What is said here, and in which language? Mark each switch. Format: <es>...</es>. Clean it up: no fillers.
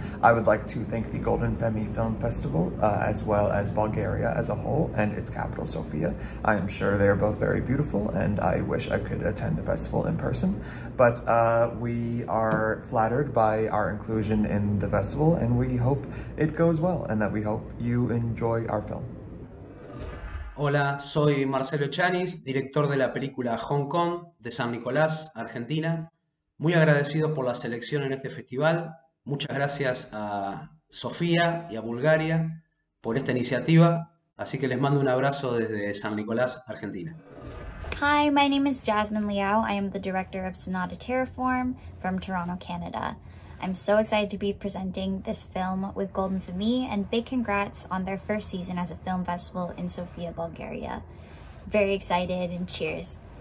<en>I would like to thank the Golden FEMI Film Festival, as well as Bulgaria as a whole, and its capital, Sofia. I am sure they are both very beautiful, and I wish I could attend the festival in person. But we are flattered by our inclusion in the festival, and we hope it goes well, and that we hope you enjoy our film.</en> <es>Hola, soy Marcelo Chanis, director de la película Hong Kong de San Nicolás, Argentina. Muy agradecido por la selección en este festival. Muchas gracias a Sofía y a Bulgaria por esta iniciativa. Así que les mando un abrazo desde San Nicolás, Argentina.</es> <en>Hi, my name is Jasmine Liao. I am the director of Sonata Terraform from Toronto, Canada. I'm so excited to be presenting this film with Golden FEMI, and big congrats on their first season as a film festival in Sofia, Bulgaria. Very excited and cheers.</en>